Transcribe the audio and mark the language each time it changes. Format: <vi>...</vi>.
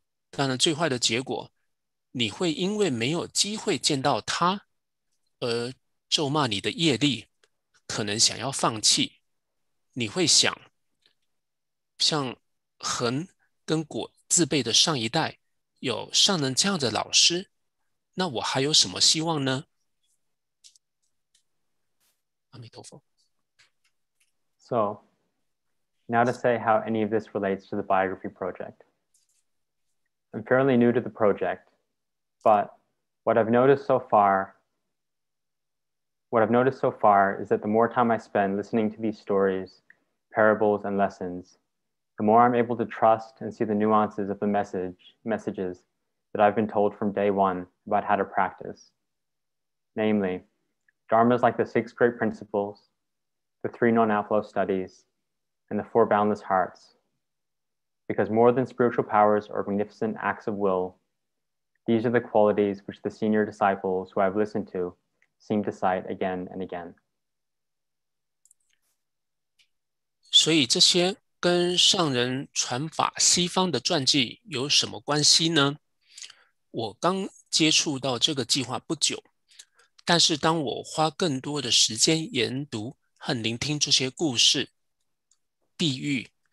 <zh>当然最坏的结果，你会因为没有机会见到他而咒骂你的业力，可能想要放弃。你会想像恒跟果自辈的上一代有上人这样的老师，那我还有什么希望呢？阿弥陀佛。</zh> <en>So, now to say how any of this relates to the biography project. I'm fairly new to the project, but what I've noticed so far is that the more time I spend listening to these stories, parables, and lessons,the more I'm able to trust and see the nuances of the messages that I've been told from day one about how to practice. Namely, dharmas like the six great principles, the three non-outflow studies, and the four boundless hearts. Because more than spiritual powers or magnificent acts of will, these are the qualities which the senior disciples who I've listened to seem to cite again and again.</en> <zh>所以这些跟上人传法西方的传记有什么关系呢？我刚接触到这个计划不久，但是当我花更多的时间研读和聆听这些故事、地狱</zh>